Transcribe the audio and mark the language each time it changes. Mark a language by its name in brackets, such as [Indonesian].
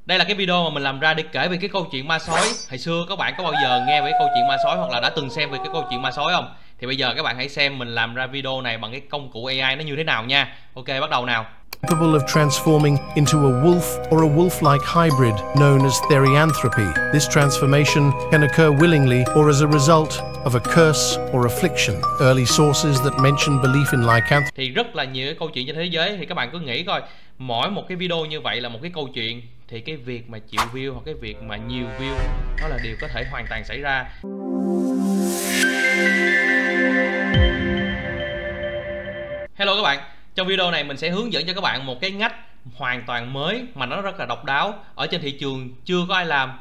[Vietnamese] Đây là cái video mà mình làm ra để kể về cái câu chuyện ma sói. Hồi xưa các bạn có bao giờ nghe về cái câu chuyện ma sói hoặc là đã từng xem về cái câu chuyện ma sói không? Thì bây giờ các bạn hãy xem mình làm ra video này bằng cái công cụ AI nó như thế nào nha. Ok, bắt đầu nào. [English] Capable of transforming into a wolf or a wolf-like hybrid known as therianthropy. This transformation can occur willingly or as a result of a curse or affliction. Early sources that mention belief in lycanthropy. [Vietnamese] Thì rất là nhiều cái câu chuyện trên thế giới, thì các bạn cứ nghĩ coi, mỗi một cái video như vậy là một cái câu chuyện, thì cái việc mà chịu view hoặc cái việc mà nhiều view đó là điều có thể hoàn toàn xảy ra. Hello các bạn, trong video này mình sẽ hướng dẫn cho các bạn một cái ngách hoàn toàn mới mà nó rất là độc đáo, ở trên thị trường chưa có ai làm.